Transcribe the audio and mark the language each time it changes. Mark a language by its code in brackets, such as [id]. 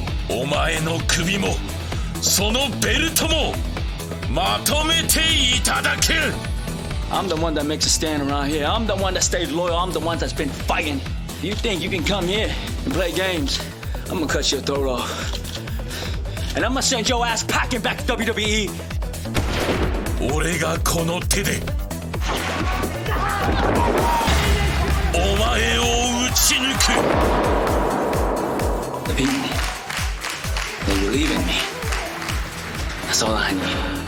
[ja] お前の首もそのベルトもまとめていただく。 [en] I'm the one that makes a stand around here. I'm the one that stays loyal. I'm the one that's been fighting. You think you can come here and play games? I'm gonna cut your throat off. And I'm gonna send your ass packing back to WWE. [ja] 俺がこの手でお前を打ち抜く。 [en] The pain that you leave in me, that's all I need.